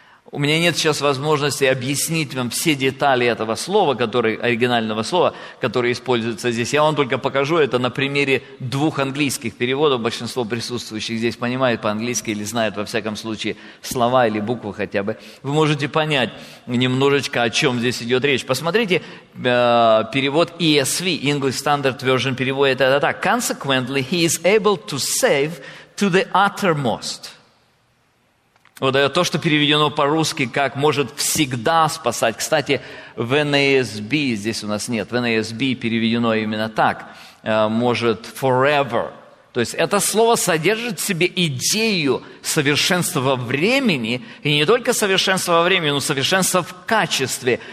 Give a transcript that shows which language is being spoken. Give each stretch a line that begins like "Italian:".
Russian: У меня нет сейчас возможности объяснить вам все детали этого слова, оригинального слова, которое используется здесь. Я вам только покажу это на примере двух английских переводов. Большинство присутствующих здесь понимают по-английски или знают, во всяком случае, слова или буквы хотя бы. Вы можете понять немножечко, о чем здесь идет речь. Посмотрите перевод ESV, English Standard Version, переводит это так.
English: «Consequently, he is able to save to the uttermost».
Russian: Вот это то, что переведено по-русски как «может всегда спасать». Кстати, в NASB здесь у нас нет. В NASB переведено именно так. «Может forever». То есть это слово содержит в себе идею совершенства во времени, и не только совершенства во времени, но совершенства в качестве.